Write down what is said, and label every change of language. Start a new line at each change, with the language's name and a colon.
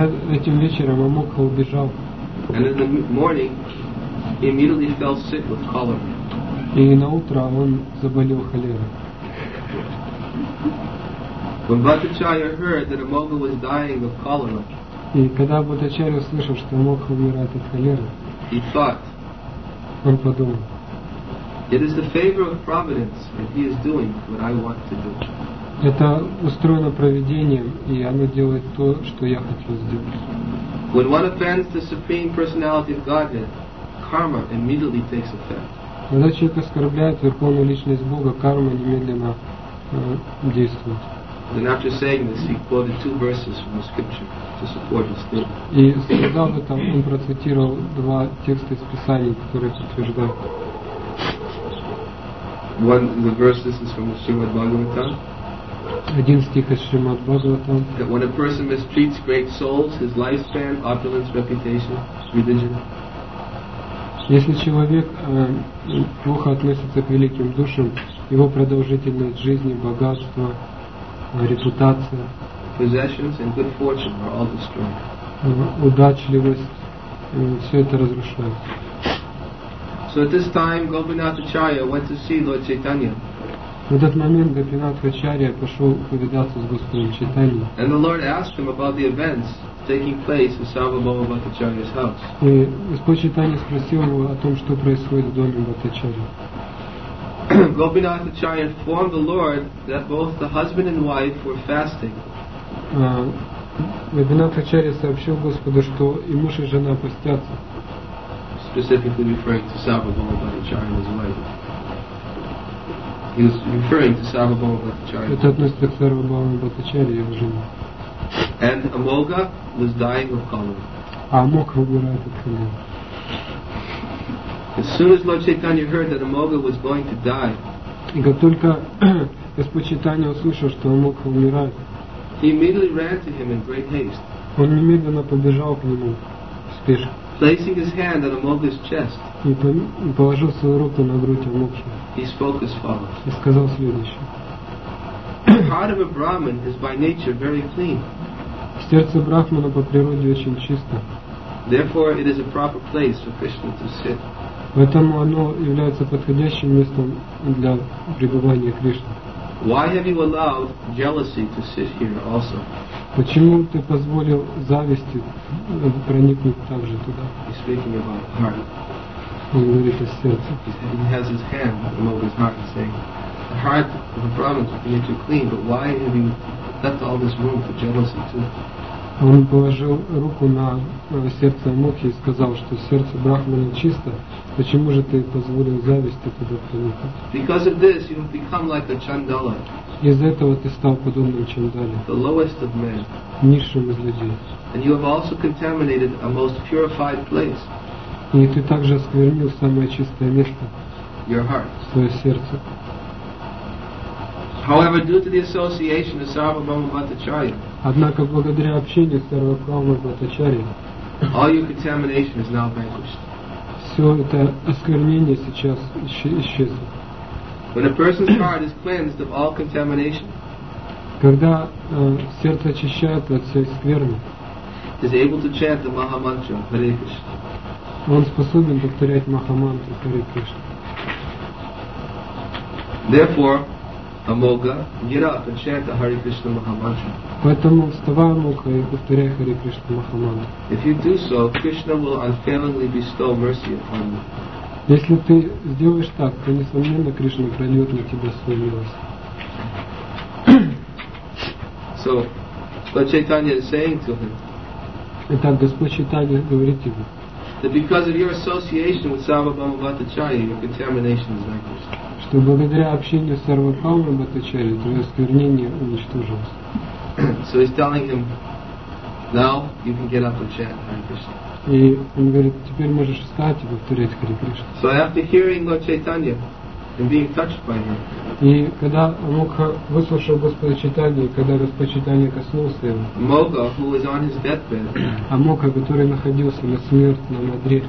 Russian: Этим вечером Амока убежал.
English: And in the morning, he immediately fell sick with cholera.
Russian: И на утро он заболел холерой.
English: When Bhattacharya heard that Amoga was dying of cholera,
Russian: и когда Бхаттачарья услышал, что Амока умирает от холеры,
English: he thought,
Russian: он подумал,
English: it is the favor of providence that he is doing what I want to do.
Russian: Это устроено провидением, и оно делает то, что я хочу сделать.
English: When one offends the supreme personality of Godhead, karma immediately takes effect.
Russian: Когда человек оскорбляет верховную личность Бога, карма немедленно действует.
English: Then after saying this, he quoted two verses from the scripture to support his theory.
Russian: И сказал бы там, он процитировал два текста из Писания, которые подтверждают.
English: One of the verses is from Srimad Bhagavatam.
Russian: Один стих из Шримад Бхагаватам.
English: That when a person mistreats great souls, his lifespan, opulence, reputation, religion.
Russian: Если человек плохо относится к великим душам, его продолжительность жизни, богатство, репутация,
English: possessions and good fortune are all destroyed.
Russian: Удачливость, все это разрушается.
English: So at this time, Gopinathacharya went to see Lord Chaitanya.
Russian: В этот момент Гопинатхачарья пошел повидаться с Господом Чайтаньей.
English: And the Lord asked him about the events taking place in Sarvabhauma Bhattacharya's house.
Russian: И Господь Чайтанья спросил его о том, что происходит в доме Бхаттачарьи.
English: Gopinathacharya informed the Lord that both the husband and wife were fasting.
Russian: Гопинатхачарья сообщил Господу, что и муж, и жена постятся.
English: Specifically referring to Sarvabhauma Bhattacharya and his wife. He was referring to Sarvabhauma Bhattacharya.
Russian: Это относится к Сарвабхауме Бхаттачарье, его жене.
English: And Amoga was dying of cholera.
Russian: А Амока умирает от холеры.
English: As soon as Lord Chaitanya heard that Amoga was going to die,
Russian: и как только Господь Чайтанья услышал, что Амока умирает,
English: he immediately ran to him in great haste.
Russian: Он немедленно побежал к нему в спешке.
English: Placing his hand on Amoga's chest,
Russian: и положил свою руку на грудь Амоки.
English: He spoke as follows.
Russian: И сказал следующее.
English: The heart of a Brahmin is by nature very clean.
Russian: Сердце Брахмана по природе очень чисто.
English: Therefore, it is a proper place for Krishna to sit.
Russian: Поэтому оно является подходящим местом для пребывания Кришны.
English: Why have you allowed jealousy to sit here also?
Russian: Почему ты позволил зависти проникнуть также туда?
English: He's speaking about heart.
Russian: Он говорит о сердце.
English: He has his hand above his heart, saying, the heart of the province would be too clean, but why have you left all this room for jealousy too?
Russian: Он положил руку на сердце Амоки и сказал, что сердце Брахмана чисто. Почему же ты позволил зависти туда проникнуть?
English: Because of this, you have become like the Chandala.
Russian: Из-за этого ты стал подобным Чандале.
English: The lowest of men.
Russian: Низшим из людей.
English: And you have also contaminated a most purified place.
Russian: И ты также осквернил самое чистое место.
English: Your heart.
Russian: Свое сердце.
English: However, due to the association of Sarvabhauma Bhattacharya,
Russian: однако благодаря общению с Сарвабхаумой Бхаттачарьей,
English: all your contamination is now vanquished.
Russian: Все это осквернение сейчас исчезло.
English: When a person's heart is cleansed of all contamination,
Russian: когда сердце очищается от всей скверны,
English: is able to chant the Mahamantra Hare Krishna.
Russian: Он способен повторять Махамантру Хари Кришна.
English: Therefore, Amoga, get up and chant the Hare Krishna Mahamantra.
Russian: Поэтому вставай, Амока, и повторяй Хари Кришна Махамантру.
English: If you do so, Krishna will unfailingly bestow mercy upon you.
Russian: Если ты сделаешь так, то несомненно Кришна прольет на тебя свою милость.
English: So, Lord Chaitanya is saying to him.
Russian: Итак, Господь Чайтанья говорит тебе.
English: that because of your association with Sarvabhauma Bhattacharya, your contamination is vanquished.
Russian: Что благодаря общению с Сарвабхаумой Бхаттачарьей твое осквернение уничтожилось.
English: So he's telling him, now you can get up and chant Hare Krishna.
Russian: И он говорит, теперь можешь встать и повторять Хари Кришна.
English: So after hearing Lord Chaitanya and being touched by him.
Russian: И когда Мокха выслушал Господа Чайтанью, когда Господь Чайтанья коснулся его,
English: Mokha, who was on his deathbed,
Russian: а Мокха, который находился на смертном одре,